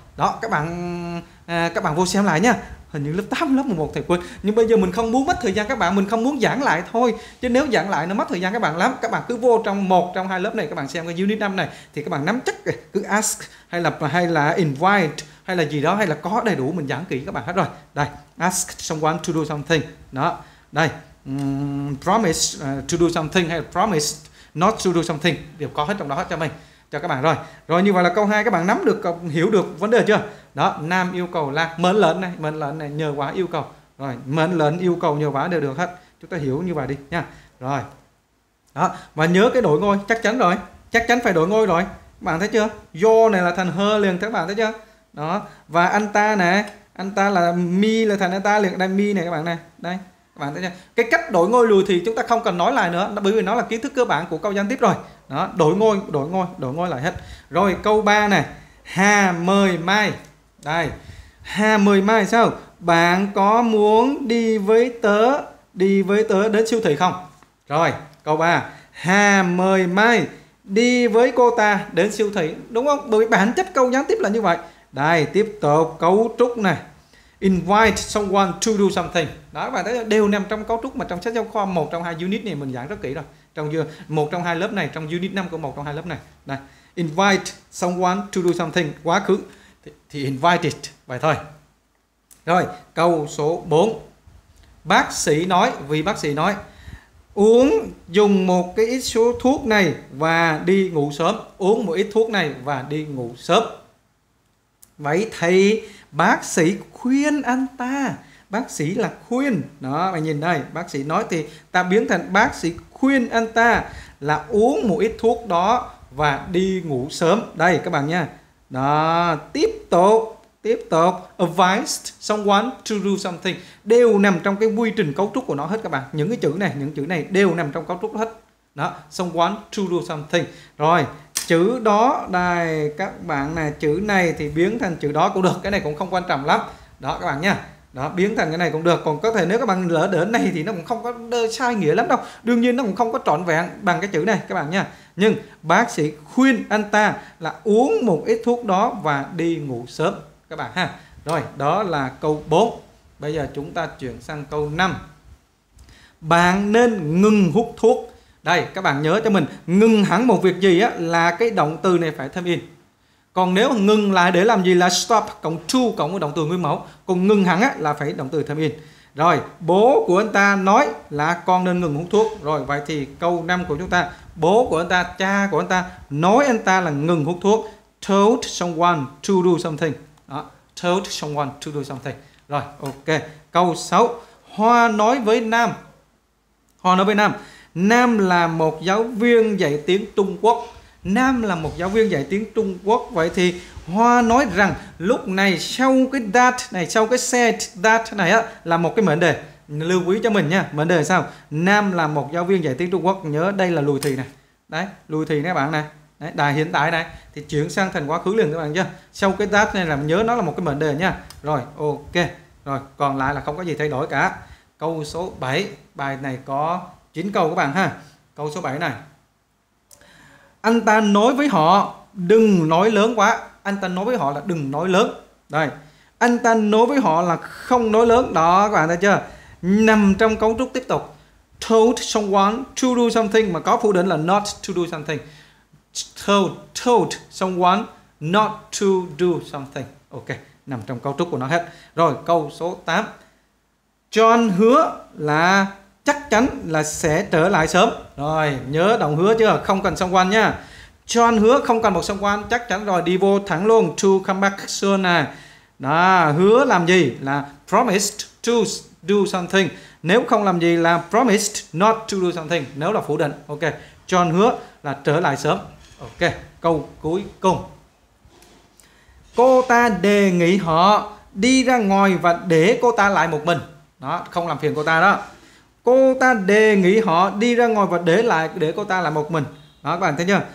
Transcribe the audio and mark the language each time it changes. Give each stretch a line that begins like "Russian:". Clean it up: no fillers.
Vietnamese: Đó, các bạn vô xem lại nha. Hình như lớp 8, lớp 11 thầy quên. Nhưng bây giờ mình không muốn mất thời gian các bạn, mình không muốn giảng lại thôi. Chứ nếu giảng lại nó mất thời gian các bạn lắm. Các bạn cứ vô trong một trong hai lớp này, các bạn xem cái unit 5 này thì các bạn nắm chắc, cứ ask hay là invite hay là gì đó, hay là có đầy đủ, mình giảng kỹ các bạn hết rồi.
English: Đây, ask someone to do something.
Vietnamese: Đó. Đây,
English: promise to do something
Vietnamese: hay
English: promise not to do something
Vietnamese: đều có hết trong đó hết cho mình, cho các bạn rồi. Rồi như vậy là câu 2 các bạn nắm được, hiểu được vấn đề chưa? Đó, Nam yêu cầu là mệnh lệnh này, mệnh lệnh này, nhờ quả yêu cầu. Rồi, mệnh lệnh, yêu cầu, nhờ quả đều được hết. Chúng ta hiểu như vậy đi nha. Rồi. Đó, và nhớ cái đổi ngôi, chắc chắn rồi. Chắc chắn phải đổi ngôi rồi. Các bạn thấy chưa? Yo này là thành her liền, các bạn thấy chưa? Đó, và anh ta nè, anh ta là me là thành anh ta liền. Đây me này các bạn nè. Đây. Các bạn thấy chưa? Cái cách đổi ngôi lùi thì chúng ta không cần nói lại nữa, bởi vì nó là kiến thức cơ bản của câu gián tiếp rồi. Đó, đổi ngôi lại hết. Rồi, câu 3 này. Hà mời Mai. Đây. Hà mời Mai sao? Bạn có muốn đi với tớ đến siêu thị không? Rồi, câu 3. Hà mời Mai đi với cô ta đến siêu thị, đúng không? Bởi bản chất câu gián tiếp là như vậy. Đây, tiếp tục cấu trúc này.
English: Invite someone to do something.
Vietnamese: Đó, các bạn thấy đều nằm trong cấu trúc mà trong sách giáo khoa một trong hai unit này mình giảng rất kỹ rồi. Trong một trong hai lớp này, trong unit 5 của một trong hai lớp này. Đây,
English: invite someone to do something
Vietnamese: quá khứ thì invited vậy thôi. Rồi, câu số 4. Bác sĩ nói, vì bác sĩ nói uống dùng một cái ít số thuốc này và đi ngủ sớm, uống một ít thuốc này và đi ngủ sớm. Vậy thì bác sĩ khuyên anh ta. Bác sĩ là khuyên. Đó, mày nhìn đây, bác sĩ nói thì ta biến thành bác sĩ khuyên anh ta là uống một ít thuốc đó và đi ngủ sớm. Đây các bạn nha. Đó, tiếp tục
English: advised someone to do something
Vietnamese: đều nằm trong cái quy trình cấu trúc của nó hết các bạn. Những cái chữ này đều nằm trong cấu trúc hết.
English: Đó, someone to do something.
Vietnamese: Rồi, chữ đó đây các bạn nè, chữ này thì biến thành chữ đó cũng được, cái này cũng không quan trọng lắm. Đó các bạn nha. Đó, biến thành cái này cũng được. Còn có thể nếu các bạn lỡ đỡ này thì nó cũng không có sai nghĩa lắm đâu. Đương nhiên nó cũng không có trọn vẹn bằng cái chữ này các bạn nha. Nhưng bác sĩ khuyên anh ta là uống một ít thuốc đó và đi ngủ sớm các bạn ha. Rồi, đó là câu 4. Bây giờ chúng ta chuyển sang câu 5. Bạn nên ngừng hút thuốc. Đây, các bạn nhớ cho mình, ngừng hẳn một việc gì á, là cái động từ này phải thêm in. Còn nếu ngừng lại để làm gì là stop cộng to cộng với động từ nguyên mẫu. Còn ngừng hẳn á, là phải động từ thêm in. Rồi, bố của anh ta nói là con nên ngừng hút thuốc. Rồi, vậy thì câu 5 của chúng ta, bố của anh ta, cha của anh ta nói anh ta là ngừng hút thuốc.
English: Told someone to do something. Đó, told someone to do something.
Vietnamese: Rồi, ok. Câu 6. Hoa nói với Nam. Nam là một giáo viên dạy tiếng Trung Quốc. Nam là một giáo viên dạy tiếng Trung Quốc. Vậy thì Hoa nói rằng lúc này sau cái that này, sau cái said that này á, là một cái mệnh đề. Lưu quý cho mình nha. Mệnh đề sao? Nam là một giáo viên dạy tiếng Trung Quốc. Nhớ đây là lùi thì này. Đấy, lùi thì nè các bạn nè. Đấy, đài hiện tại này thì chuyển sang thành quá khứ liền các bạn chưa? Sau cái that này là nhớ nó là một cái mệnh đề nha. Rồi, ok. Rồi, còn lại là không có gì thay đổi cả. Câu số 7, bài này có 9 câu các bạn ha. Câu số 7 này. Anh ta nói với họ đừng nói lớn quá. Anh ta nói với họ là đừng nói lớn. Đây. Anh ta nói với họ là không nói lớn. Đó các bạn thấy chưa? Nằm trong cấu trúc tiếp tục.
English: Told someone to do something
Vietnamese: mà có phủ định là
English: not to do something. Told someone not to do something.
Vietnamese: Ok, nằm trong cấu trúc của nó hết. Rồi, câu số 8. John hứa là chắc chắn là sẽ trở lại sớm. Rồi, nhớ động hứa chưa? Không cần someone nha. John hứa không cần một someone, chắc chắn rồi, đi vô thẳng luôn.
English: To come back soon
Vietnamese: nè. Đó, hứa làm gì?
English: Là promised to do something.
Vietnamese: Nếu không làm gì là
English: promised not to do something.
Vietnamese: Nếu là phủ định. Ok, John hứa là trở lại sớm. Ok, câu cuối cùng. Cô ta đề nghị họ đi ra ngoài và để cô ta lại một mình. Đó, không làm phiền cô ta đó. Cô ta đề nghị họ đi ra ngoài và để cô ta lại một mình. Đó, các bạn thấy chưa?